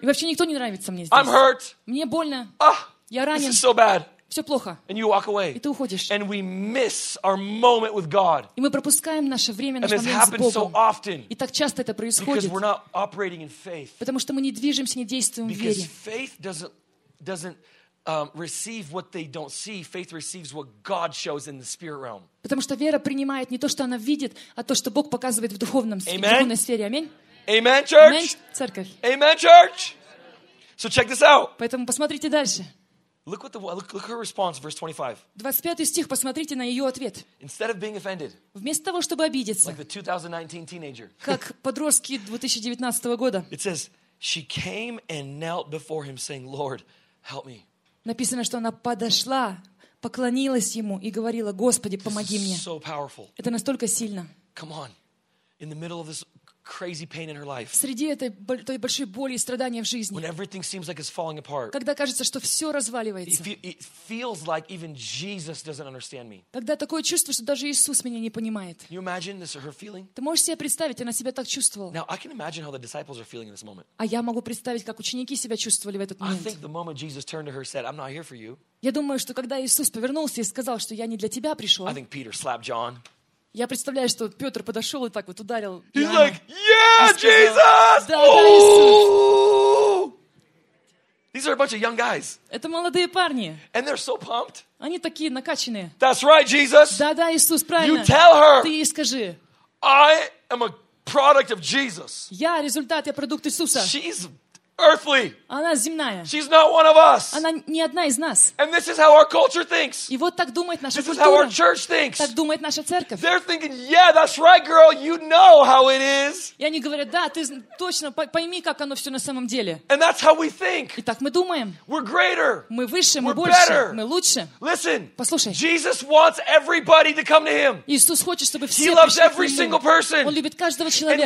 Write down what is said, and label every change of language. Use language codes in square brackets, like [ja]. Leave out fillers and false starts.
[ru] И вообще никто не нравится мне здесь. [en] I'm hurt. [ru] Мне больно. Ah, я ранен. [en] This is so bad. [ru] Все плохо. [en] And you walk away. [ru] И ты уходишь. [en] And we miss our moment with God. [ru] И мы пропускаем наше время, наш момент с Богом. [en] And this happens so often. [ru] И так часто это происходит. [en] Because we're not operating in faith. [ru] Потому что мы не движемся, не действуем в вере. [en] Because faith doesn't receive what they don't see. Faith receives what God shows in the spirit realm. [ru] Потому что вера принимает не то, что она видит, а то, что Бог показывает в духовном, [en] Amen. [ru] В духовной сфере. Аминь. [en] Amen, church. [ru] Аминь, церковь. [en] Amen, church. So check this out. [ru] Поэтому посмотрите дальше. [en] Look what look her response, verse 25. [ru] 25 стих, посмотрите на ее ответ. [en] Instead of being offended, [ru] вместо того, чтобы обидеться, [en] like the 2019 teenager, [ru] как подростки 2019 года, [en] it says, she came and knelt before him, saying, Lord, help me. [ru] Написано, что она подошла, поклонилась ему и говорила, Господи, помоги мне. [en] So powerful. [ru] Это настолько сильно. [en] Come on, in the middle of this crazy pain in her life. [ru] Среди этой той большой боли и страдания в жизни. [en] When everything seems like it's falling apart. [ru] Когда кажется, что все разваливается. [en] It feels like even Jesus doesn't understand me. [ru] Когда такое чувство, что даже Иисус меня не понимает. [en] Can you imagine this, her feeling? [ru] Ты можешь себе представить, она себя так чувствовала? [en] Now I can imagine how the disciples are feeling in this moment. [ru] А я могу представить, как ученики себя чувствовали в этот момент. [en] I think the moment Jesus turned to her and said, "I'm not here for you." [ru] Я думаю, что когда Иисус повернулся и сказал, что я не для тебя пришел. [en] I think Peter slapped John. [ru] Я представляю, что Петр подошел и так вот ударил. [en] He's Иоанна, like, yeah, Jesus! [ru] Да, да, Иисус! [en] These are a bunch of young guys. [ru] Это молодые парни. [en] And they're so pumped. [ru] Они такие накачанные. [en] That's right, Jesus. [ru] Да, да, Иисус, правильно. [en] You tell her. [ru] Ты ей скажи. [en] I am a product of Jesus. [ru] Я результат, я продукт Иисуса. [en] She's earthly. [ru] Она земная. [en] She's not one of us. [ru] Она не одна из нас. [en] And this is how our culture thinks. [ru] И вот так думает наша [en] this [ru] культура. [en] This is how our church thinks. [ru] Так думает наша церковь. [en] They're thinking, yeah, that's right, girl, you know how it is. [ru] И они говорят, да, ты точно пойми, как оно все на самом деле. [en] And that's how we think. [ru] И так мы думаем. [en] We're greater. [ru] Мы выше, [en] We're [ru] мы больше, [en] better. [ru] Мы лучше. [en] Listen. [ru] Послушай. [en] Jesus wants everybody to come to Him. [ru] Иисус хочет, чтобы все [en] He loves every single person. Он любит каждого человека.